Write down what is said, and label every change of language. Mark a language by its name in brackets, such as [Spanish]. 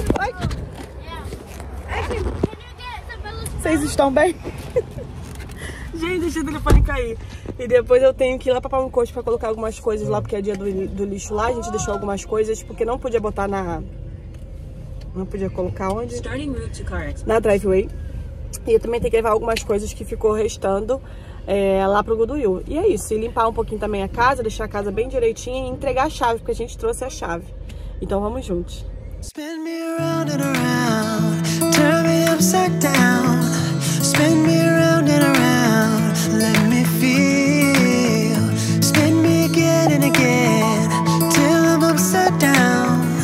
[Portuguese] Oi? Vocês estão bem? Gente, deixa o telefone cair. E depois eu tenho que ir lá pra Palm Coast pra colocar algumas coisas lá, porque é dia do lixo lá. A gente deixou algumas coisas, porque não podia botar na... Não podia colocar onde? [English] Starting route to car expense. [Portuguese] Na driveway. E eu também tenho que levar algumas coisas que ficou restando lá pro Goodwill. E é isso, e limpar um pouquinho também a casa, deixar a casa bem direitinha e entregar a chave, porque a gente trouxe a chave. Então vamos juntos. [English] Spin me around and around, turn me upside down. Spin me around and around, let me feel. Spin me again and again, till I'm upside down.